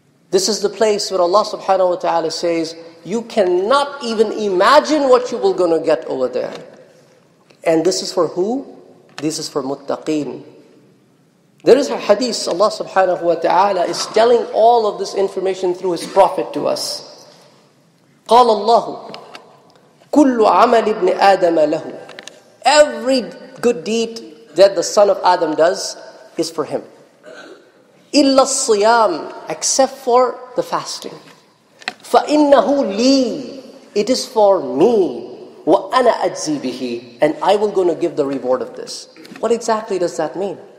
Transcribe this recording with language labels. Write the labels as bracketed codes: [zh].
[en] This is the place where Allah subhanahu wa ta'ala says, you cannot even imagine what you will gonna get over there. And this is for who? This is for muttaqeen. There is a hadith, Allah subhanahu wa ta'ala is telling all of this information through His Prophet to us. [ar] قال الله كل عمل ابن آدم له. [en] Every good deed that the son of Adam does is for him. [ar] إِلَّا الصِّيَامِ. [en] Except for the fasting. [ar] فَإِنَّهُ لِي. [en] It is for me. [ar] وَأَنَا أَجْزِي بِهِ. [en] And I will going to give the reward of this. What exactly does that mean?